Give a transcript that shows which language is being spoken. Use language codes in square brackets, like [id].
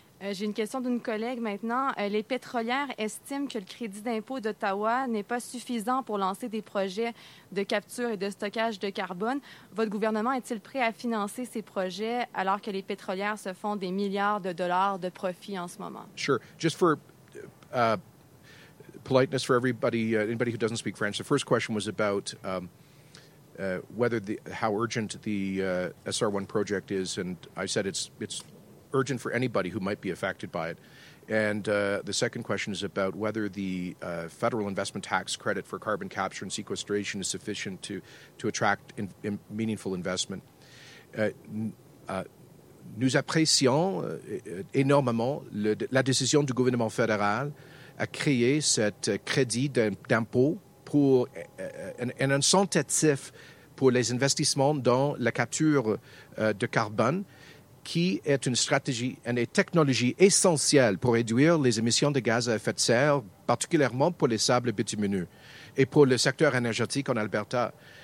[fr] J'ai une question d'une collègue maintenant. Les pétrolières estiment que le crédit d'impôt d'Ottawa n'est pas suffisant pour lancer des projets de capture et de stockage de carbone. Votre gouvernement est-il prêt à financer ces projets alors que les pétrolières se font des milliards de dollars de profits en ce moment? [en] Sure. Just for politeness for everybody, anybody who doesn't speak French, the first question was about how urgent the SR1 project is, and I said it's urgent for anybody who might be affected by it. And the second question is about whether the federal investment tax credit for carbon capture and sequestration is sufficient to attract meaningful investment. [fr] Nous apprécions énormément la décision du gouvernement fédéral à créer cet crédit d'impôt pour un incentif pour les investissements dans la capture de carbone, qui est une stratégie et une technologie essentielle pour réduire les émissions de gaz à effet de serre, particulièrement pour les sables bitumineux et pour le secteur énergétique en Alberta.